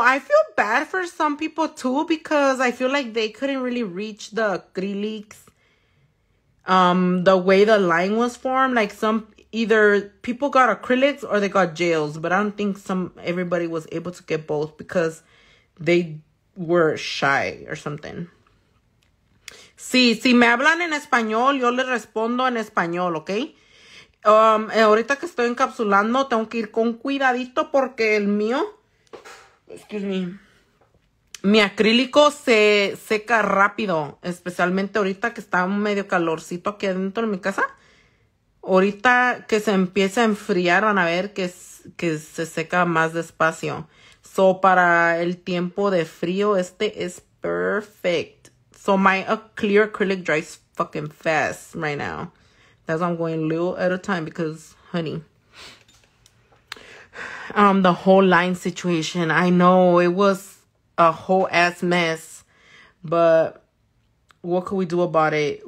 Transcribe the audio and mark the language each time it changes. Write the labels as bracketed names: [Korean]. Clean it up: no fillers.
[English] I feel bad for some people too because I feel like they couldn't really reach the acrylics. The way the line was formed, like some either people got acrylics or they got gels. But I don't think everybody was able to get both because they were shy or something. [Spanish] Si me hablan en español, yo les respondo en español, okay? Ahorita que estoy encapsulando, tengo que ir con cuidadito porque el mío, [English] excuse me, [Spanish] mi acrílico se seca rápido, especialmente ahorita que está medio calorcito aquí adentro de mi casa. Ahorita que se empieza a enfriar, van a ver que se seca más despacio. So, para el tiempo de frío, este es perfect. [English] So, my clear acrylic dries fucking fast right now. That's why I'm going a little at a time because, honey, the whole line situation, I know it was a whole ass mess, but what could we do about it?